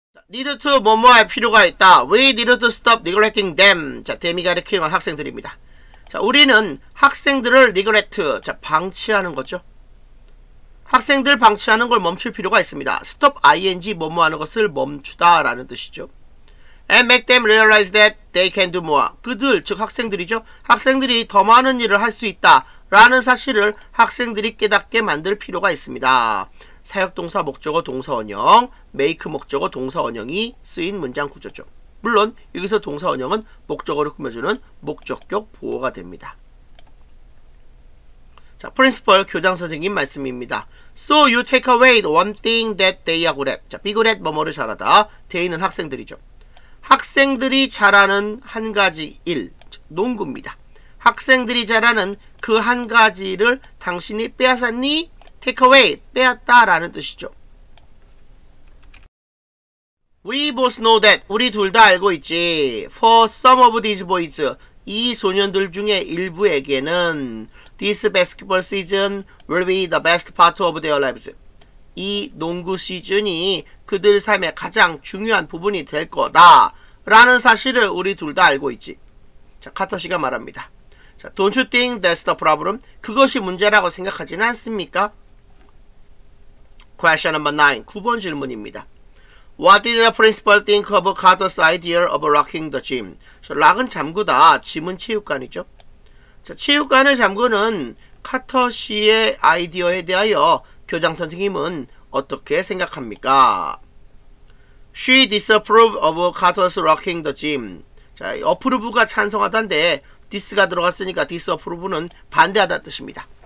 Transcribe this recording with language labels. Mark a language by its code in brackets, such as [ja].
[en] Need to [ko] 뭐뭐 할 필요가 있다. [en] We need to stop neglecting them. [ko] 자, them이 가르치는 학생들입니다. 자, 우리는 학생들을 neglect, 자, 방치하는 거죠. 학생들 방치하는 걸 멈출 필요가 있습니다. stop ing 뭐뭐 하는 것을 멈추다 라는 뜻이죠. [en] And make them realize that they can do more. [ko] 그들, 즉 학생들이죠. 학생들이 더 많은 일을 할 수 있다. 라는 사실을 학생들이 깨닫게 만들 필요가 있습니다. 사역동사 목적어 동사원형, make 목적어 동사원형이 쓰인 문장 구조죠. 물론 여기서 동사원형은 목적어를 꾸며주는 목적격 보어가 됩니다. 자, 프린시펄 교장 선생님 말씀입니다. [en] So you take away the one thing that they are good at. [ko] 자, be good at 뭐뭐를 잘하다. they는 학생들이죠. 학생들이 잘하는 한 가지 일, 농구입니다. 학생들이 잘하는 그 한 가지를 당신이 빼앗았니? Take away, 빼앗다 라는 뜻이죠. [en] We both know that, [ko] 우리 둘 다 알고 있지. [en] For some of these boys, [ko] 이 소년들 중에 일부에게는 [en] This basketball season will be the best part of their lives. [ko] 이 농구 시즌이 그들 삶의 가장 중요한 부분이 될 거다 라는 사실을 우리 둘 다 알고 있지. [en] 자, [ko] 카터 씨가 말합니다. [en] 자, don't you think that's the problem? [ko] 그것이 문제라고 생각하지는 않습니까? [en] Question number 9. [ko] 9번 질문입니다. [en] What did the principal think of Carter's idea of locking the gym? [ko] 자, lock은 잠그다. gym은 체육관이죠. 자, 체육관을 잠그는 카터 씨의 아이디어에 대하여 교장 선생님은 어떻게 생각합니까? [en] She disapproved of Carter's locking the gym. [ko] 자, approve가 찬성하다인데 this가 들어갔으니까 disapprove는 반대하다는 뜻입니다.